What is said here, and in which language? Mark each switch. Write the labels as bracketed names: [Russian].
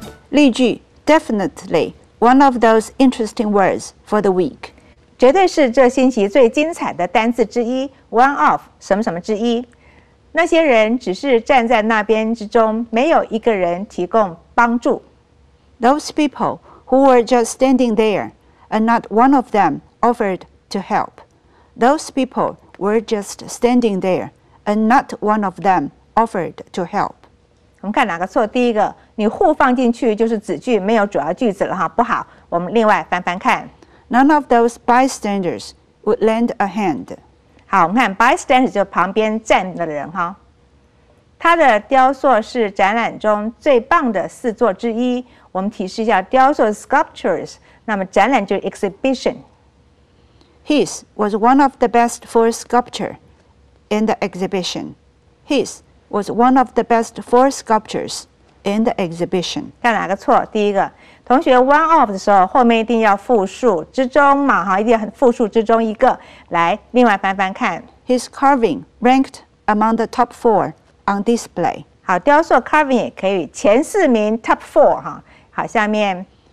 [Chinese] 例句 [English] ：Definitely one of those interesting words for the week. [Chinese] 绝对是这星期最精彩的单字之一。 [English] One of [Chinese] 什么什么之一。那些人只是站在那边之中，没有一个人提供帮助。 [English] Those people who were just standing there, and not one of them offered to help. Those people were just standing there, and not one of them offered to help. [Chinese] 我们看哪个错？第一个，你 who 放进去就是子句，没有主要句子了哈，不好。我们另外翻翻看。 [English] None of those bystanders would lend a hand. [Chinese] 好，我们看 bystander 就旁边站的人哈。他的雕塑是展览中最棒的四座之一。我们提示一下，雕塑 sculptures， 那么展览就是 exhibition。 [English] His was one of the best for sculpture in the exhibition. His was one of the best for sculptures in the exhibition. [Chinese] 看哪个错？第一个，同学 [English] one of [Chinese] 的时候后面一定要复数之中嘛，哈，一定要复数之中一个。来，另外翻翻看。 [English] His carving ranked among the top four. On display. [Chinese] 好，雕塑 carving 也可以前四名 top four 哈。好，下面